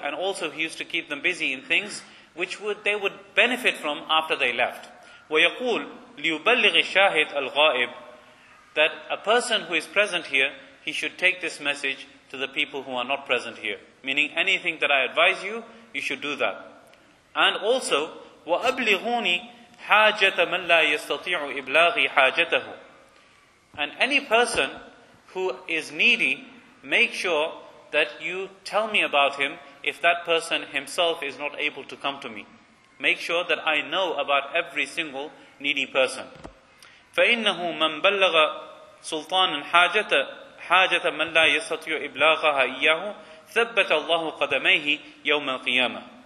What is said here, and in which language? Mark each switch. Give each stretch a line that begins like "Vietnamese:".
English: And also he used to keep them busy in things which they would benefit from after they left.
Arabic: وَيَقُولُ لِيُبَلِّغِ الشَّاهِدَ الْغَائِبِ.
English: That a person who is present here, he should take this message to the people who are not present here. Meaning, anything that I advise you, you should do that. And also,
Arabic: وَأَبْلِغُونِي حَاجَةَ مَنْ لَا يَسْتَطِيعُ إِبْلَاغِ حَاجَتَهُ.
English: And any person who is needy, make sure that you tell me about him if that person himself is not able to come to me. Make sure that I know about every single needy person.
Arabic: فَإِنَّهُ مَنْ بَلَّغَ سُلْطَانًا حَاجَةَ مَنْ لَا يَسْتَطِيعُ إِبْلَاغَهَا إِيَّاهُ ثَبَّتَ اللَّهُ قَدَمَيْهِ يَوْمَ الْقِيَامَةِ.